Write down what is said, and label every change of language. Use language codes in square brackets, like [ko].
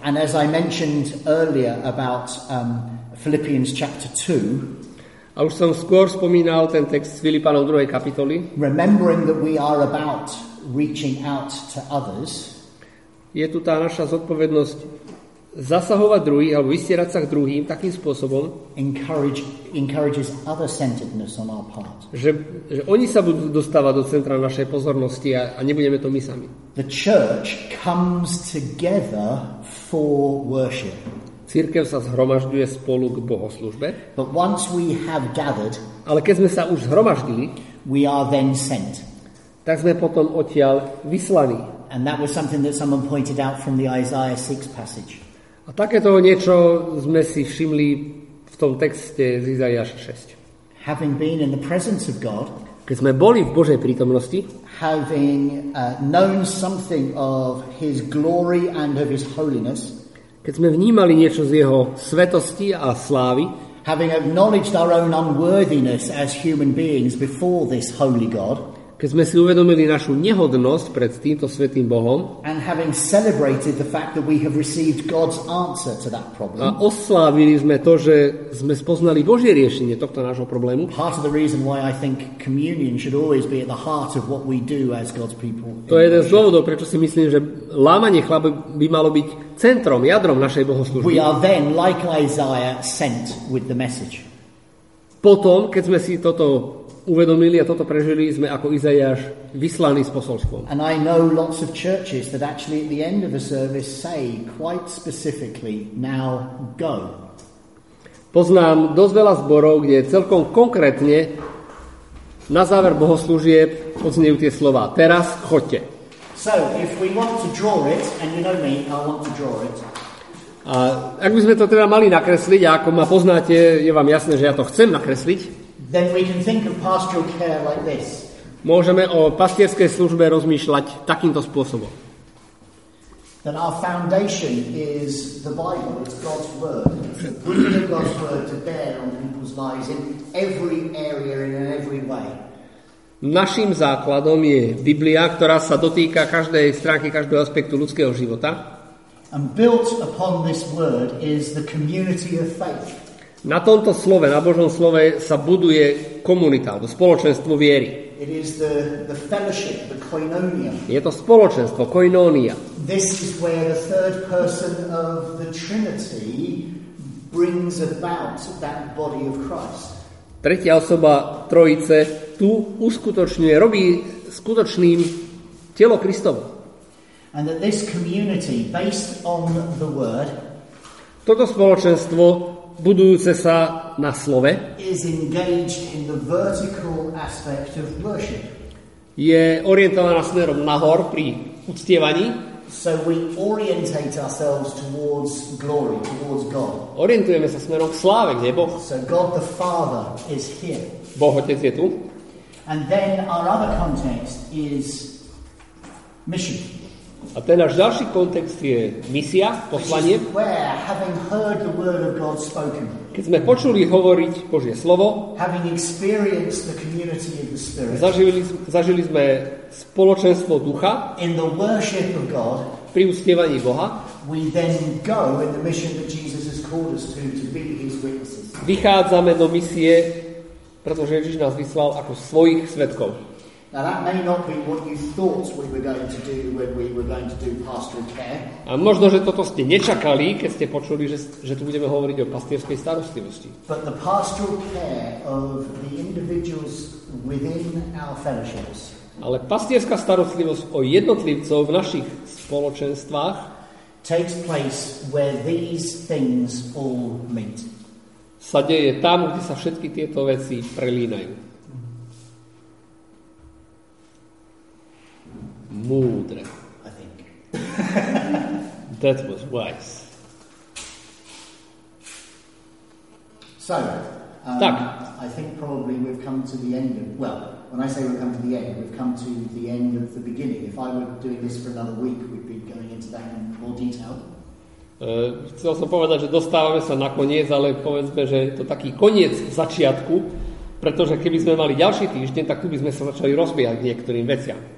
[en] And as I mentioned earlier about Philippians chapter 2, [sk] a už som skôr spomínal ten text z Filipanov 2. kapitoly. [en] Remembering that we are about reaching out to others. [sk] Je tu tá naša zodpovednosť zasahovať druhých alebo vysierať sa k druhým takým spôsobom, [en] encourages other-centeredness on our part. [sk] Že oni sa budú dostávať do centra našej pozornosti a nebudeme to my sami. [en] The church comes together for worship. [sk] Cirkev sa zhromažďuje spolu k bohoslužbe. [en] But once we have gathered, [sk] ale keď sme sa už zhromaždili, [en] we are then sent. [sk] Tak sme potom odtiaľ vyslaní. [en] And that was something that someone pointed out from the Isaiah 6 passage. [sk] A takéto niečo sme si všimli v tom texte z Izaiáša 6. [en] Having been in the presence of God, [sk] keď sme boli v Božej prítomnosti, [en] having known something of his glory and of his holiness, [sk] keď sme vnímali niečo z jeho svetosti a slávy, [en] having acknowledged our own unworthiness as human beings before this holy God, [sk] keď sme si uvedomili našu nehodnosť pred týmto svätým Bohom, [en] and having celebrated the fact that we have received God's answer to that problem, [sk] a oslávili sme to, že sme spoznali Božie riešenie tohto nášho problému, [en] part of the reason why I think communion should always be at the heart of what we do as God's people, [sk] to je jeden z dôvodov, prečo si myslím, že lámanie chleba by malo byť centrom, jadrom našej bohoslužby. [en] We are then, like Isaiah, sent with the message. [sk] Potom, keď sme si toto uvedomili a toto prežili, sme ako Izaiáš vyslaní s posolstvom. [en] And I know lots of churches that actually at the end of a service say quite specifically, now go. [sk] Poznám dosť veľa zborov, kde celkom konkrétne na záver bohoslúžieb odznejú tie slova. Teraz choďte. [en] So, if we want to draw it, and you know me, I want to draw it. [sk] A ak by sme to teda mali nakresliť, a ako ma poznáte, je vám jasné, že ja to chcem nakresliť. [en] Then we can think of pastoral care like this. [sk] Môžeme o pastierskej službe rozmýšľať takýmto spôsobom. [en] That our foundation is the Bible, it's God's word. Bringing God's word to bear on people's lives in every area and in every way. [sk] Naším základom je Biblia, ktorá sa dotýka každej stránky, každého aspektu ľudského života. [en] And built upon this word is the community of faith. [sk] Na tomto slove, na Božom slove sa buduje komunita, alebo spoločenstvo viery. [en] It is the fellowship, the koinonia. [sk] Je to spoločenstvo, koinonia. [en] This is where the third person of the Trinity brings about that body of Christ. [sk] Tretia osoba Trojice tu uskutočňuje, robí skutočným telo Kristovo. [en] And that this community, based on the word, [sk] toto spoločenstvo budujúce sa na slove, [en] is engaged in the vertical aspect of worship. [sk] Je orientovaná smerom nahor pri uctievaní. [en] So we orientate ourselves towards glory, towards God. [sk] Orientujeme sa smerom k sláve, kde je Boh. [en] So God the Father is here. [sk] Boh Otec je tu. [en] And then our other context is mission. [sk] A ten náš ďalší kontext je misia, poslanie. [en] Where, having heard the word of God spoken, [sk] keď sme počuli hovoriť Božie slovo, [en] having experienced the community of the Spirit, [sk] zažili sme spoločenstvo ducha [en] in the worship of God, [sk] pri uctievaní Boha, [en] we then go in the mission that Jesus has called us to be his witnesses. [sk] Vychádzame do misie, pretože Ježiš nás vyslal ako svojich svedkov. [en] Now that may not be what you thought we were going to do when we were going to do pastoral care. [sk] A možno, že toto ste nečakali, keď ste počuli, že tu budeme hovoriť o pastierskej starostlivosti. [en] But the pastoral care of the individuals within our fellowships. [sk] Ale pastierska starostlivosť o jednotlivcov v našich spoločenstvách [en] takes place where these things all meet. [sk] Sa deje tam, kde sa všetky tieto veci prelínajú. Múdre. [en] I think. That was wise. So, [sk] tak. [en] I think probably we've come to the end of, well, when I say we've come to the end, we've come to the end of the beginning. If I were doing this for another week, we'd be going into that in more detail. [sk] Chcel som povedať, že dostávame sa na koniec, ale povedzme, že je to taký koniec začiatku, pretože keby sme mali ďalší týždeň, tak tu by sme sa začali rozbiehať niektorým veciam.